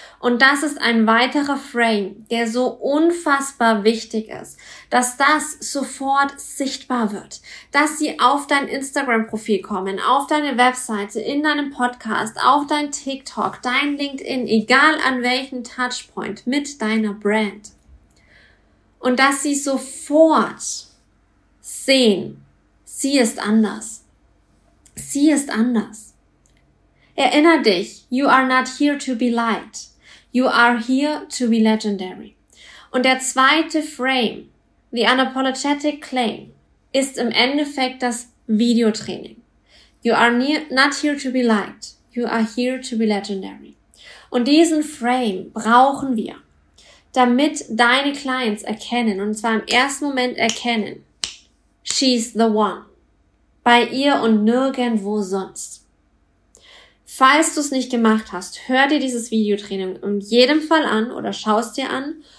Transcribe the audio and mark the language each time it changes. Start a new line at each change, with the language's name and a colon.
German: Und das ist ein weiterer Frame, der so unfassbar wichtig ist, dass das sofort sichtbar wird, dass sie auf dein Instagram-Profil kommen, auf deine Webseite, in deinem Podcast, auf dein TikTok, dein LinkedIn, egal an welchem Touchpoint mit deiner Brand. Und dass sie sofort sehen, sie ist anders. Sie ist anders. Erinner dich,
English: you are not here to be light. You are here to be legendary.
German: Und der zweite Frame,
English: the unapologetic claim,
German: ist im Endeffekt das Videotraining.
English: You are not here to be light. You are here to be legendary.
German: Und diesen Frame brauchen wir, damit deine Clients erkennen, und zwar im ersten Moment erkennen,
English: she's the one.
German: Bei ihr und nirgendwo sonst. Falls du es nicht gemacht hast, hör dir dieses Videotraining in jedem Fall an oder schau es dir an.